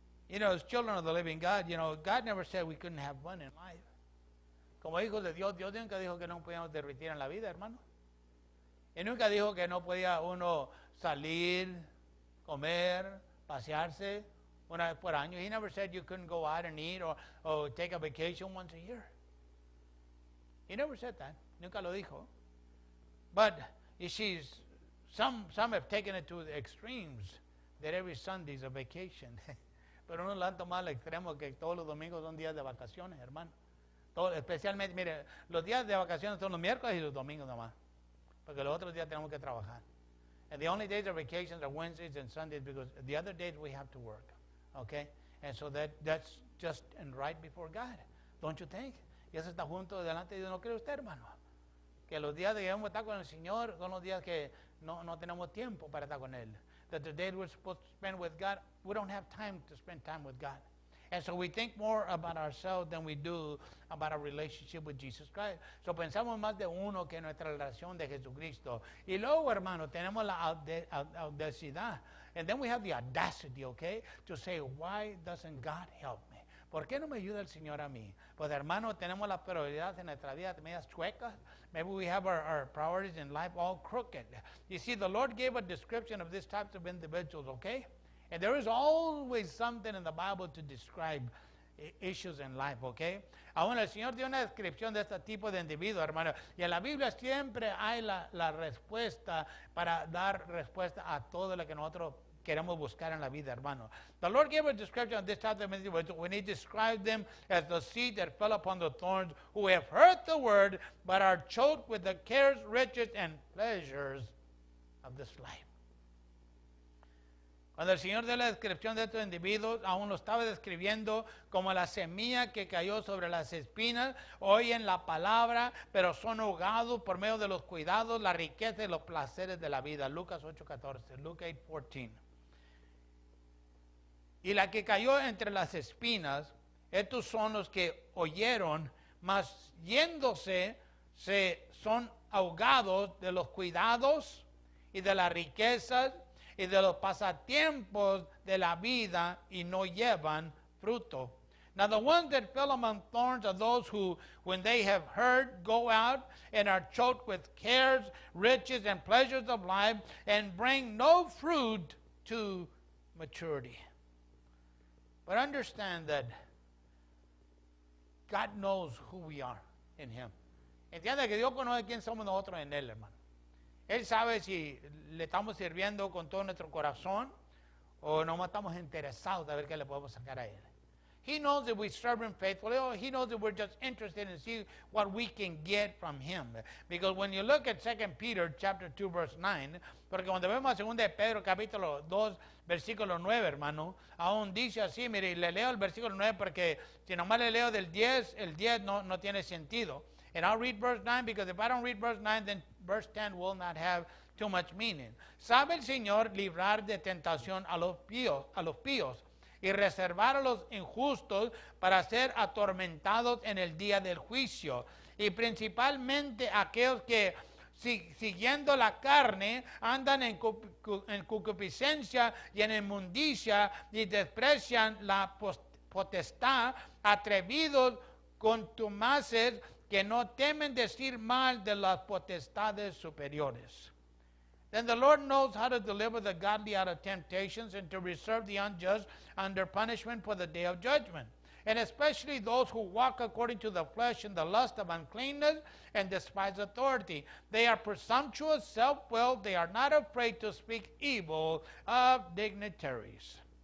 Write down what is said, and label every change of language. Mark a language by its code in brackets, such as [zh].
[en] You know, as children of the living God, you know, God never said we couldn't have fun in life. [es] Como hijos de Dios, Dios nunca dijo que no podíamos derretir en la vida, hermano. Y nunca dijo que no podía uno salir, comer, pasearse. Una vez por año. [en] He never said you couldn't go out and eat or take a vacation once a year. He never said that. [es] Nunca lo dijo. [en] But you see, some have taken it to the extremes that every Sunday is a vacation. [es] Pero uno lo han tomado al extremo que todos los domingos son días de vacaciones, hermano. Todo, especialmente, mire, los días de vacaciones son los miércoles y los domingos nomás. Porque los otros días tenemos que trabajar. [en] And the only days of vacations are Wednesdays and Sundays because the other days we have to work. Okay, and so that's just and right before God, don't you think? [es] Y eso está junto delante de Dios. ¿No cree usted, hermano? Que los días que debemos estar con el Señor son los días que no tenemos tiempo para estar con Él. [en] That the day we're supposed to spend with God, we don't have time to spend time with God. And so we think more about ourselves than we do about our relationship with Jesus Christ. [es] So pensamos más de uno que nuestra relación de Jesucristo. Y luego, hermano, tenemos la audacidad. [en] And then we have the audacity, okay, to say, why doesn't God help me? [es] ¿Por qué no me ayuda el Señor a mí? Pues, hermano, tenemos las prioridades en nuestra vida medias chuecas. [en] Maybe we have our priorities in life all crooked. You see, the Lord gave a description of these types of individuals, okay? And there is always something in the Bible to describe issues in life, okay? [es] Aún el Señor dio una descripción de este tipo de individuo, hermano. Y en la Biblia siempre hay la respuesta para dar respuesta a todo lo que nosotros queremos buscar en la vida, hermano. [en] The Lord gave a description of this type of individual when he described them as the seed that fell upon the thorns, who have heard the word, but are choked with the cares, riches, and pleasures of this life. [es] Cuando el Señor dio la descripción de estos individuos, aún lo estaba describiendo como la semilla que cayó sobre las espinas, oyen la palabra, pero son ahogados por medio de los cuidados, la riqueza y los placeres de la vida. Lucas 8:14. Y la que cayó entre las espinas, estos son los que oyeron, mas yéndose, se son ahogados de los cuidados y de las riquezas y de los pasatiempos de la vida y no llevan fruto. [en] Now the ones that fell among thorns are those who, when they have heard, go out and are choked with cares, riches, and pleasures of life and bring no fruit to maturity. But understand that God knows who we are in Him. [es] Entiende que Dios conoce quién somos nosotros en Él, hermano. Él sabe si le estamos sirviendo con todo nuestro corazón o no estamos interesados de ver qué le podemos sacar a Él. [en] He knows if we serve Him faithfully or He knows if we're just interested in seeing what we can get from Him. Because when you look at 2 Peter chapter 2, verse 9, [es] porque cuando vemos a 2 Pedro capítulo 2, versículo 9, hermano, aún dice así, mire, le leo el versículo 9 porque si nomás le leo del 10, el 10 no tiene sentido. [en] And I'll read verse 9, because if I don't read verse 9, then verse 10 will not have too much meaning. [es] Sabe el Señor librar de tentación a los píos, y reservar a los injustos para ser atormentados en el día del juicio, y principalmente aquellos que, siguiendo la carne, andan en concupiscencia y en inmundicia, y desprecian la potestad, atrevidos, contumaces, que no temen decir mal de las potestades superiores. [en] Then the Lord knows how to deliver the godly out of temptations and to reserve the unjust under punishment for the day of judgment. And especially those who walk according to the flesh in the lust of uncleanness and despise authority. They are presumptuous, self-willed, they are not afraid to speak evil of dignitaries.